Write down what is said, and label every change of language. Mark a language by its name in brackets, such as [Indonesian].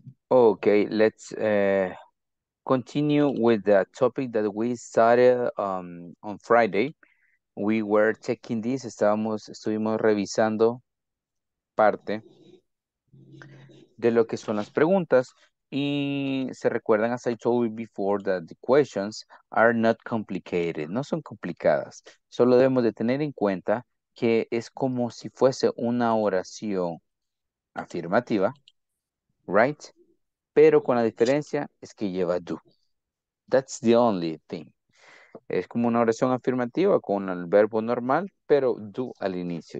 [English] Okay, let's continue with the topic that we started on Friday. We were checking this. [Spanish] Estuvimos revisando parte de lo que son las preguntas. Se recuerdan, [English] as I told you before, that the questions are not complicated, [Spanish] no son complicadas. Solo debemos de tener en cuenta que es como si fuese una oración afirmativa, right? Pero con la diferencia es que lleva do. [English] That's the only thing. [Spanish] Es como una oración afirmativa con el verbo normal, pero do al inicio.